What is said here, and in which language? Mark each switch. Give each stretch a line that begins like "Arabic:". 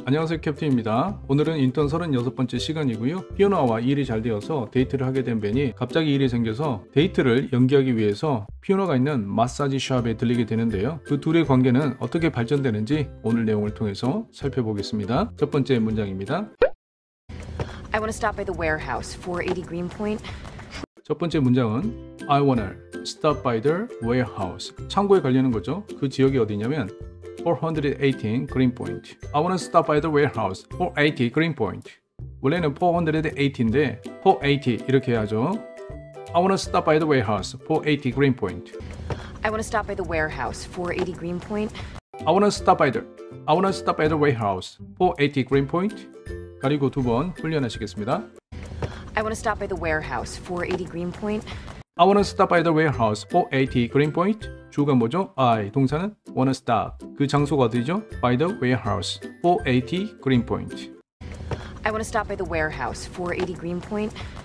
Korean: 안녕하세요, 캡틴입니다. 오늘은 인턴 36번째 시간이고요. 피오나와 일이 잘 되어서 데이트를 하게 된 벤이 갑자기 일이 생겨서 데이트를 연기하기 위해서 피오나가 있는 마사지 샵에 들리게 되는데요. 그 둘의 관계는 어떻게 발전되는지 오늘 내용을 통해서 살펴보겠습니다. 첫 번째 문장입니다.
English: I want to stop by the warehouse, 480 Greenpoint.
Korean: 첫 번째 문장은
English: I want to stop by the warehouse.
Korean: 창고에 가려는 거죠. 그 지역이 어디냐면 418 Greenpoint.
English: I want to stop by the warehouse, 480 Greenpoint.
Korean: 원래는 418인데 480 이렇게 해야죠.
English: I want to stop by the warehouse, 480 Greenpoint. I want to stop by the warehouse, 480 Greenpoint. I want to stop by the warehouse, 480 Greenpoint.
Korean: 가리고 두 번 훈련하시겠습니다.
English: I want to stop by the warehouse, 480 Greenpoint. I want to stop by the warehouse, 480 Greenpoint.
Korean: 주어가 뭐죠? I, 동사는
English: want to stop.
Korean: 그 장소가 어디죠?
English: By the warehouse, 480 Greenpoint. I want to stop by the warehouse, 480 Greenpoint.